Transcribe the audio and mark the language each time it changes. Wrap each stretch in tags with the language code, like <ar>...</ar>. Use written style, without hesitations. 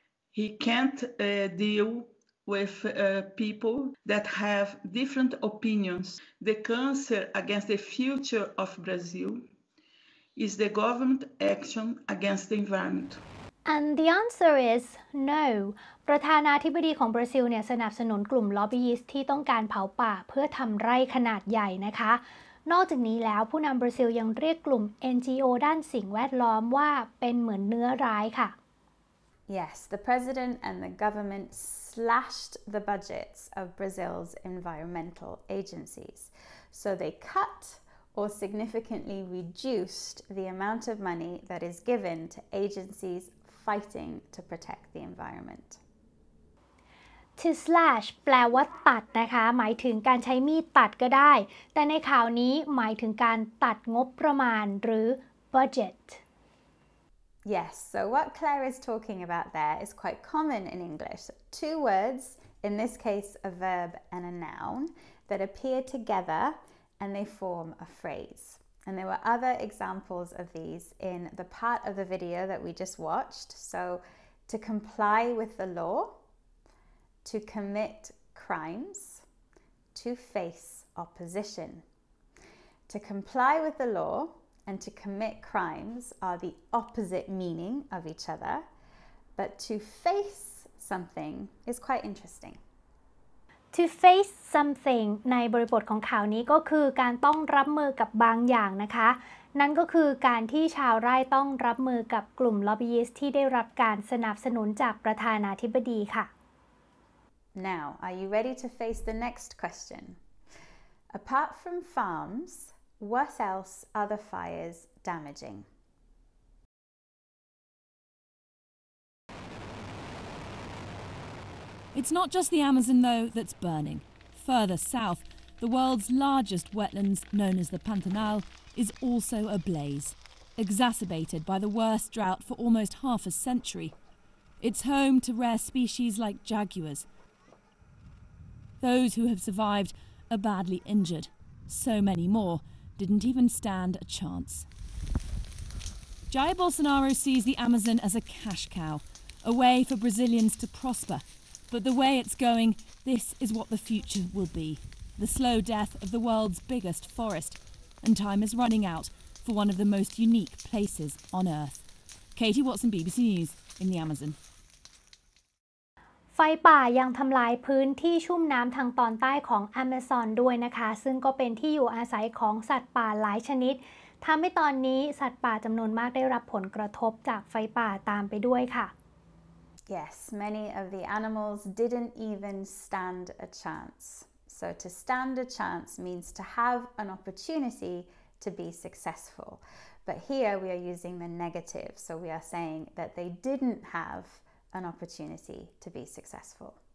<en>He can't deal with people that have different opinions. The cancer against the future of Brazil is the government action against the environment. And the answer is no.</en> <th>ประธานาธิบดีของบราซิลเนี่ยสนับสนุนกลุ่มล็อบบี้ยิสต์ที่ต้องการเผาป่าเพื่อทำไร่ขนาดใหญ่นะคะนอกจากนี้แล้วผู้นำบราซิลยังเรียกกลุ่ม NGO ด้านสิ่งแวดล้อมว่าเป็นเหมือนเนื้อร้ายค่ะ</th> <en>Yes, the president and the government slashed the budgets of Brazil's environmental agencies. So they cut or significantly reduced the amount of money that is given to agencies fighting to protect the environment. To slash</en> <th>แปลว่าตัดนะคะหมายถึงการใช้มีดตัดก็ได้แต่ในข่าวนี้หมายถึงการตัดงบประมาณหรือ budget.</th> <en>Yes, so what Claire is talking about there is quite common in English. Two words, in this case a verb and a noun, that appear together and they form a phrase. And there were other examples of these in the part of the video that we just watched. So, to comply with the law, to commit crimes, to face opposition. To comply with the law and to commit crimes are the opposite meaning of each other, but to face something is quite interesting. To face something</en> <th>ในบริบทของข่าวนี้ก็คือการต้องรับมือกับบางอย่างนะคะนั่นก็คือการที่ชาวไร่ต้องรับมือกับกลุ่มล็อบบี้สต์ที่ได้รับการสนับสนุนจากประธานาธิบดีค่ะ</th> <en>Now, are you ready to face the next question? Apart from farms, what else are the fires damaging? It's not just the Amazon, though, that's burning. Further south, the world's largest wetlands, known as the Pantanal, is also ablaze, exacerbated by the worst drought for almost half a century. It's home to rare species like jaguars. Those who have survived are badly injured. So many more didn't even stand a chance. Jair Bolsonaro sees the Amazon as a cash cow, a way for Brazilians to prosper. But the way it's going, this is what the future will be. The slow death of the world's biggest forest. And time is running out for one of the most unique places on Earth. Katie Watson, BBC News, in the Amazon.</en> <th>ไฟป่ายังทำลายพื้นที่ชุ่มน้ำทางตอนใต้ของอเมซอนด้วยนะคะซึ่งก็เป็นที่อยู่อาศัยของสัตว์ป่าหลายชนิดทำให้ตอนนี้สัตว์ป่าจำนวนมากได้รับผลกระทบจากไฟป่าตามไปด้วยค่ะ</th> <en>Yes, many of the animals didn't even stand a chance. So to stand a chance means to have an opportunity to be successful. But here we are using the negative. So we are saying that they didn't have an opportunity to be successful.</en>